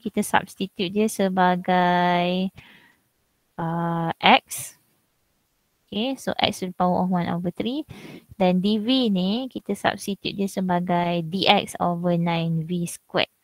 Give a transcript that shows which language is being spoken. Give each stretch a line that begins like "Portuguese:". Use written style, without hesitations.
Malay: Kita substitute dia sebagai x.
English: Okay, so x to the power of 1 over 3.
Malay: Then dv ni kita substitute dia sebagai dx over 9v squared.